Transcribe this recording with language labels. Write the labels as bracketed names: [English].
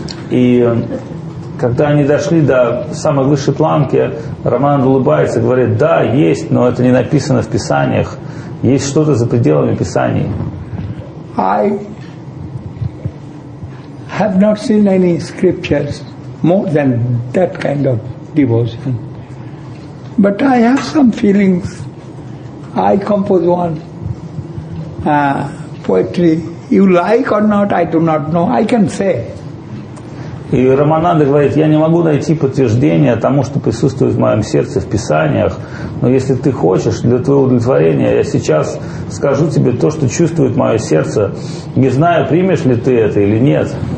[Russian] И когда они дошли до самой высшей планки, Рамананда улыбается и говорит, да, есть, но это не написано в Писаниях. Есть что-то за пределами Писаний. [English] I have not seen any scriptures more than that kind of devotion. But I have some feelings. I compose one poetry. You like or not, I do not know. I can say. [Russian] И Рамананда говорит, я не могу найти подтверждения тому, что присутствует в моем сердце в Писаниях, но если ты хочешь, для твоего удовлетворения, я сейчас скажу тебе то, что чувствует мое сердце, не знаю, примешь ли ты это или нет.